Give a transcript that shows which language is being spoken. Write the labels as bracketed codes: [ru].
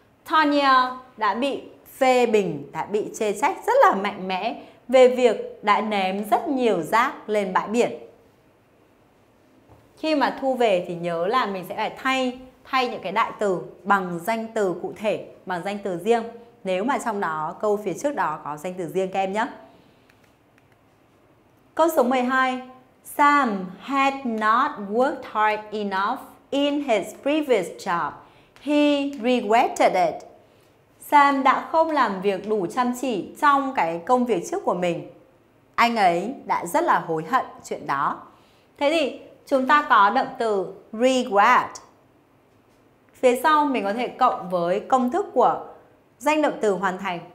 [vi] Tanya đã bị phê bình, đã bị chê trách rất là mạnh mẽ về việc đã ném rất nhiều rác lên bãi biển. Khi mà thu về thì nhớ là mình sẽ phải thay những cái đại từ bằng danh từ cụ thể, bằng danh từ riêng, nếu mà trong đó câu phía trước đó có danh từ riêng các em nhé. Câu số 12. [en] Sam had not worked hard enough in his previous job. He regretted it. [vi] Sam đã không làm việc đủ chăm chỉ trong cái công việc trước của mình. Anh ấy đã rất là hối hận chuyện đó. Thế thì chúng ta có động từ regret. Phía sau mình có thể cộng với công thức của danh động từ hoàn thành.